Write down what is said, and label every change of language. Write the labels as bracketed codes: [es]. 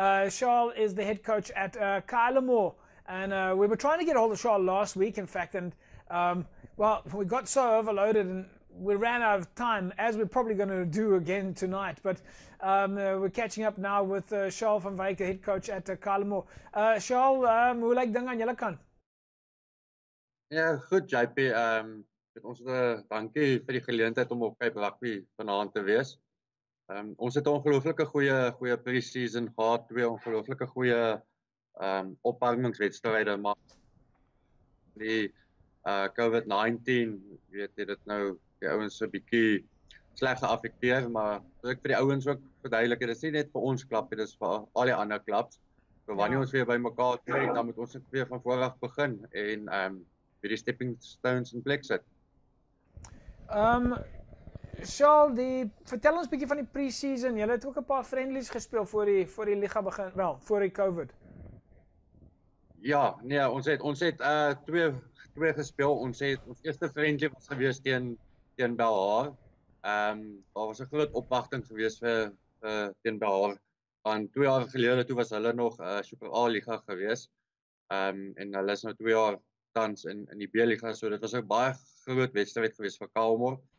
[en] Charles is the head coach at Kylemore. And we were trying to get a hold of Charles last week, in fact. And, well, we got so overloaded and we ran out of time, as we're probably going to do again tonight. But we're catching up now with Charles van Wyk, the head coach at Kylemore. [af] Charles, hoe lyk ding aan julle kant? Ja, goed, JP. Ons het dankie vir die geleentheid om op Cape Rugby vanaand te wees. Ons het 'n ongelooflike goeie pre-season gehad, twee ongelooflike goeie opwarmingswedstryde, maar die COVID-19, weet jy, dit nou die ouens so 'n bietjie sleg geaffekteer, maar ek vir die ouens ook verduidelik, dit is nie net vir ons klap, dit is vir al die ander klaps. So wanneer ons weer by mekaar kry, dan moet ons weer van voor af begin en weer die stepping stones in plek sit. Charles, vertel ons bietjie van die pre-season. Julle het ook 'n paar friendlies gespeel voor die liga begin, wel, voor die COVID. Ja, nee, ons het twee gespeel. Ons eerste friendly was gewees teen Belhar. Daar was 'n groot opwagting gewees vir teen Belhar. Van 2 jaar gelede toe was hulle nog Super A liga gewees. En hulle is nou 2 jaar tans in die B-liga, so dit was 'n baie groot wedstrijd geweest van Kylemore.